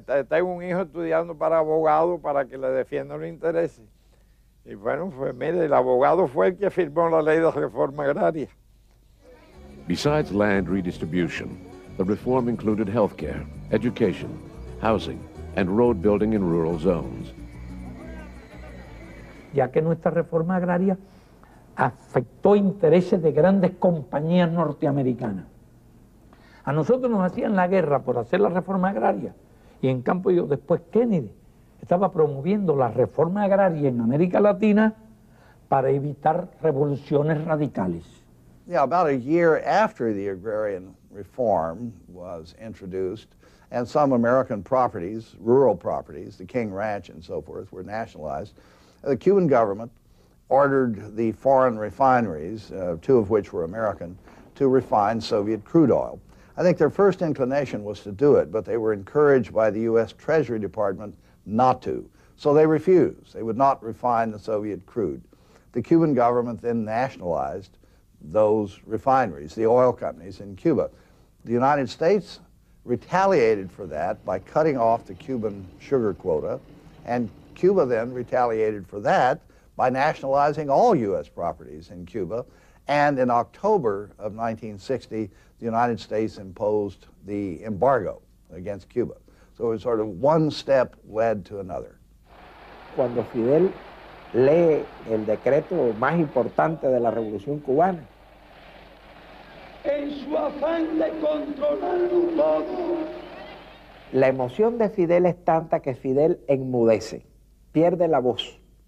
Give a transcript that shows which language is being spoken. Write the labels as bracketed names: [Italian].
[Spanish] tengo un hijo estudiando para abogado para que le defienda los intereses. Y bueno, pues mire, el abogado fue el que firmó la ley de reforma agraria. [English] Besides land redistribution, the reform included health care, education, housing, and road building in rural zones. [Spanish] Ya que nuestra reforma agraria afectó intereses de grandes compañías norteamericanas. A nosotros nos hacían la guerra por hacer la reforma agraria. Y en cambio yo después Kennedy estaba promoviendo la reforma agraria en América Latina para evitar revoluciones radicales. [English] Yeah, about a year after the agrarian reform was introduced, and some American properties, rural properties, the King Ranch and so forth, were nationalized. The Cuban government ordered the foreign refineries, two of which were American, to refine Soviet crude oil. I think their first inclination was to do it, but they were encouraged by the U.S. Treasury Department not to. So they refused. They would not refine the Soviet crude. The Cuban government then nationalized those refineries, the oil companies in Cuba. The United States retaliated for that by cutting off the Cuban sugar quota, and Cuba then retaliated for that by nationalizing all U.S. properties in Cuba. And in October of 1960, the United States imposed the embargo against Cuba. So it was sort of one step led to another. [Spanish] Cuando Fidel lee el decreto más importante de la Revolución Cubana, en su afán de controlarlo todo. La emoción de Fidel es tanta que Fidel enmudece, pierde la voz.